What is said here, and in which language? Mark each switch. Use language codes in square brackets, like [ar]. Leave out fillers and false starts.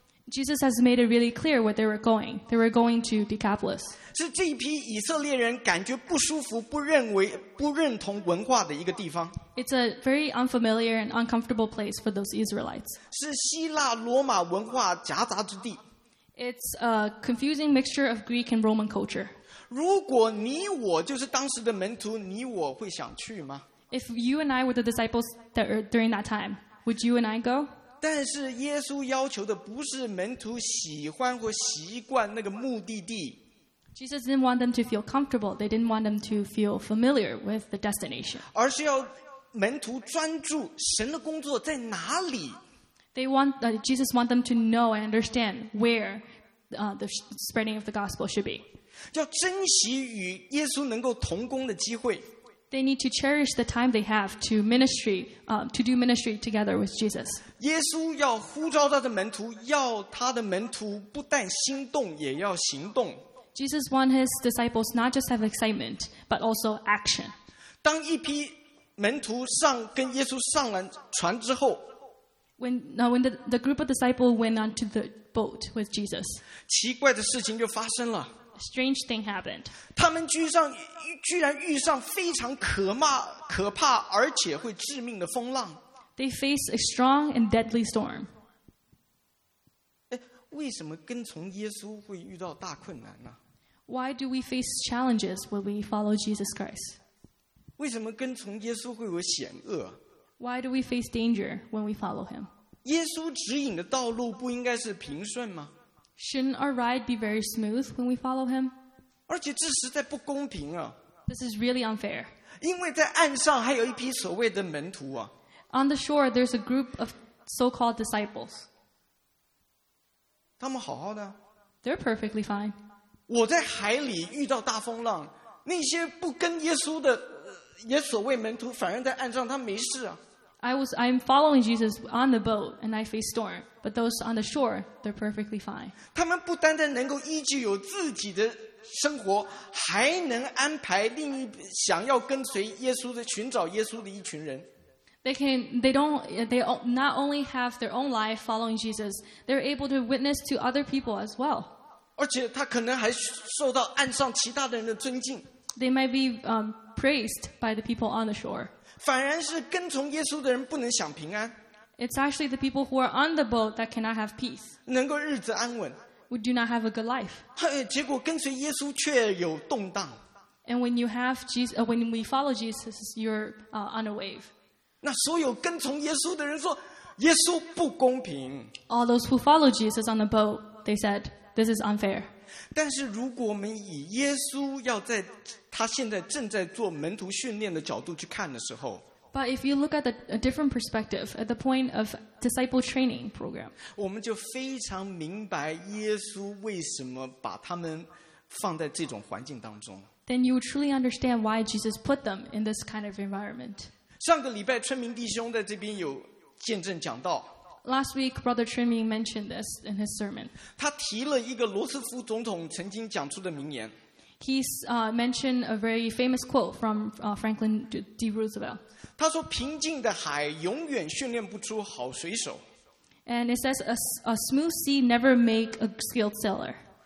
[en] Jesus has made it really clear where they were going. They were going to Decapolis. [zh] 是这批以色列人感觉不舒服、不认同文化的一个地方。 [en] It's a very unfamiliar and uncomfortable place for those Israelites. [zh] 是希腊罗马文化夹杂之地。 [en] It's a confusing mixture of Greek and Roman culture. [zh] 如果你我就是当时的门徒，你我会想去吗？ [en] If you and I were the disciples that are during that time, would you and I go? [zh] 但是耶稣要求的不是门徒喜欢或习惯那个目的地。 [en] Jesus didn't want them to feel comfortable. They didn't want them to feel familiar with the destination. [zh] 而是要门徒专注神的工作在哪里。 [en] Jesus wanted them to know and understand where the spreading of the gospel should be. [zh] 要珍惜与耶稣能够同工的机会。 [en] They need to cherish the time they have to ministry, to do ministry together with Jesus. [zh] 耶稣要呼召他的门徒，要他的门徒不但心动，也要行动。 [en] Jesus wants his disciples not just have excitement, but also action. [zh] 当一批门徒上跟耶稣上了船之后 [en] ，when the group of disciples went onto the boat with Jesus, [zh] 奇怪的事情就发生了。 [en] Strange thing happened. [zh] 他们居然遇上非常可怕而且会致命的风浪。 [en] They face a strong and deadly storm. [zh] 为什么跟从耶稣会遇到大困难呢？ [en] Why do we face challenges when we follow Jesus Christ? [zh] 为什么跟从耶稣会有险恶？ [en] Why do we face danger when we follow him? [zh] 耶稣指引的道路不应该是平顺吗？ [en] Shouldn't our ride be very smooth when we follow him? [zh] 而且这实在不公平啊。 [en] This is really unfair. [zh] 因为在岸上还有一批所谓的门徒啊。 [en] On the shore, there's a group of so-called disciples. [zh] 他们好好的。 [en] They're perfectly fine. [zh] 我在海里遇到大风浪，那些不跟耶稣的，也所谓门徒，反而在岸上他没事啊。 [en] I'm following Jesus on the boat and I face storm, but those on the shore, they're perfectly fine. [zh] 他们不单单能够依据有自己的生活，还能安排另一想要跟随耶稣的寻找耶稣的一群人。 [en] They not only have their own life following Jesus, they're able to witness to other people as well. [zh] 而且他可能还受到岸上其他的人的尊敬。 [en] They might be praised by the people on the shore. [zh] 反而是跟从耶稣的人不能享平安。 [en] It's actually the people who are on the boat that cannot have peace. [zh] 能够日子安稳。 [en] We do not have a good life. [zh] 结果跟随耶稣却有动荡。 [en] And when you have Jesus, when we follow Jesus, you're on a wave. [zh] 那所有跟从耶稣的人说，耶稣不公平。 [en] All those who follow Jesus on the boat, they said, this is unfair. [zh] 但是如果我们以耶稣要在他现在正在做门徒训练的角度去看的时候， [en] But if you look at a different perspective, at the point of disciple training program, [zh] 我们就非常明白耶稣为什么把他们放在这种环境当中。 [en] Then you truly understand why Jesus put them in this kind of environment. [zh] 上个礼拜春明弟兄在这边有见证讲到。 [en] Last week, Brother Trin Ming mentioned this in his sermon. [zh] 他提了一个罗斯福总统曾经讲出的名言。 [en] He's mentioned a very famous quote from Franklin D. Roosevelt. [zh] 他说平静的海永远训练不出好水手。 [en] And it says a smooth sea never make a skilled sailor.